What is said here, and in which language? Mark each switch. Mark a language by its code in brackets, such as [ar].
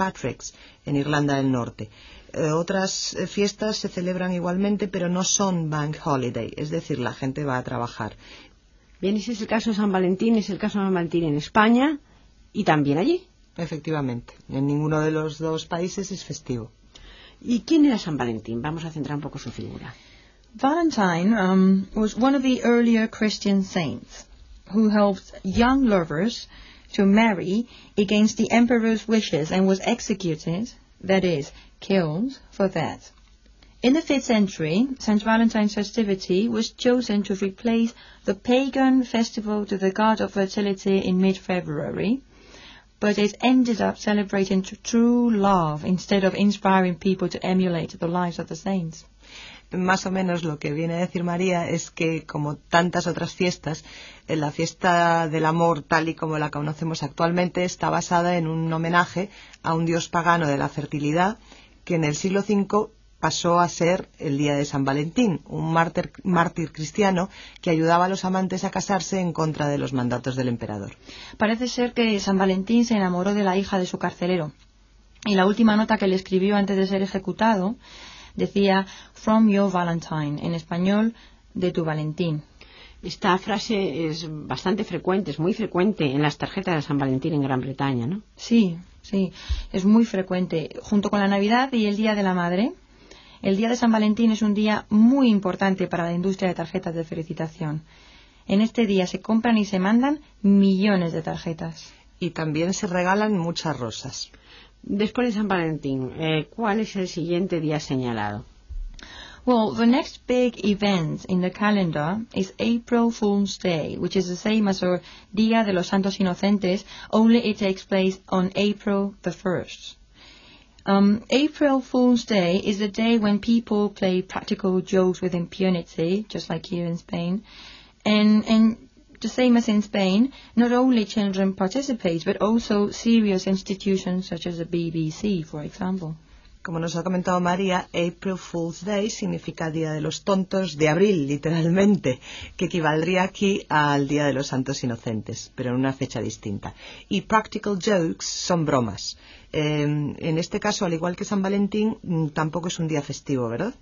[es] Patrick's, en Irlanda del Norte. Otras fiestas se celebran igualmente, pero no son bank holiday, es decir, la gente va a trabajar. Bien, ese es el caso de San Valentín, es el caso de San Valentín en España y también allí. Efectivamente, en ninguno de los dos países es festivo. ¿Y quién era San Valentín? Vamos a centrar un poco su figura. [en] Valentine was one of the earlier Christian saints who helped young lovers to marry against the emperor's wishes and was executed, that is, killed for that. In the 5th century, St. Valentine's festivity was chosen to replace the pagan festival to the god of fertility in mid-February, but it ended up celebrating true love instead of inspiring people to emulate the lives of the saints. [es] Más o menos lo que viene a decir María es que, como tantas otras fiestas, la fiesta del amor tal y como la conocemos actualmente está basada en un homenaje a un dios pagano de la fertilidad que en el siglo V pasó a ser el día de San Valentín, un mártir cristiano que ayudaba a los amantes a casarse en contra de los mandatos del emperador. Parece ser que San Valentín se enamoró de la hija de su carcelero. Y la última nota que le escribió antes de ser ejecutado decía: [en] "From your Valentine", [es] en español, de tu Valentín. Esta frase es bastante frecuente, es muy frecuente en las tarjetas de San Valentín en Gran Bretaña, ¿no? Sí, sí, es muy frecuente. Junto con la Navidad y el Día de la Madre, el Día de San Valentín es un día muy importante para la industria de tarjetas de felicitación. En este día se compran y se mandan millones de tarjetas. Y también se regalan muchas rosas. Después de San Valentín, ¿cuál es el siguiente día señalado? [en] Well, the next big event in the calendar is April Fool's Day, which is the same as our Día de los Santos Inocentes, only it takes place on April the 1st. April Fool's Day is the day when people play practical jokes with impunity, just like here in Spain. And the same as in Spain, not only children participate, but also serious institutions such as the BBC, for example. [es] Como nos ha comentado María, April Fool's Day significa Día de los Tontos de Abril, literalmente, que equivaldría aquí al Día de los Santos Inocentes, pero en una fecha distinta. Y practical jokes son bromas. En este caso, al igual que San Valentín, tampoco es un día festivo, ¿verdad?